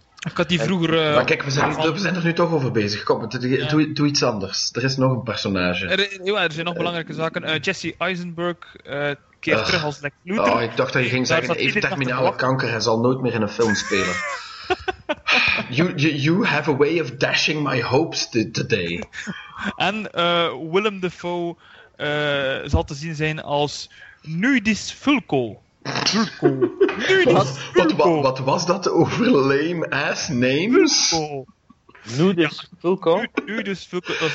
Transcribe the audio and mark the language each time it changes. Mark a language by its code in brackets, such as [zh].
[nl] Ik had die vroeger... Maar kijk, we zijn er nu toch over bezig. Kom, doe iets anders. Er is nog een personage. Er zijn nog belangrijke zaken. Jesse Eisenberg keert terug als Lex Luthor. Oh, ik dacht dat je ging zeggen, even terminale kanker. Hij zal nooit meer in een film spelen. [en] you have a way of dashing my hopes today. [nl] En Willem Dafoe zal te zien zijn als Nudis Fulco. Wat was dat over [en] lame-ass names? [nl] Nudis Fulco. Nudis Fulco.